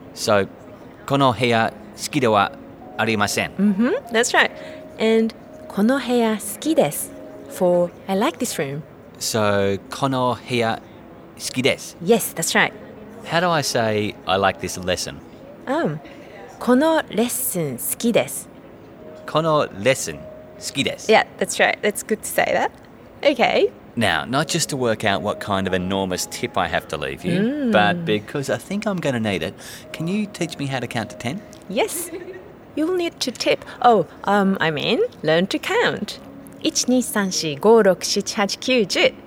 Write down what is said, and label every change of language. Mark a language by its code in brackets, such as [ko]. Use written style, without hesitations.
[ja] So, この部屋好きではありません. [en] That's right. And, [ja] この部屋好きです, [en] for I like this room. [ja] So, この部屋好きです. [en] Yes, that's right. How do I say, I like this lesson? [ja] このレッスン好きです。このレッスン好きです。 [en] Yeah, that's right. That's good to say that. Okay. Now, not just to work out what kind of enormous tip I have to leave you, but because I think I'm going to need it, can you teach me how to count to 10? Yes. You'll need to tip. Learn to count. 1, 2, 3, 4, 5, 6, 7, 8, 9, 10.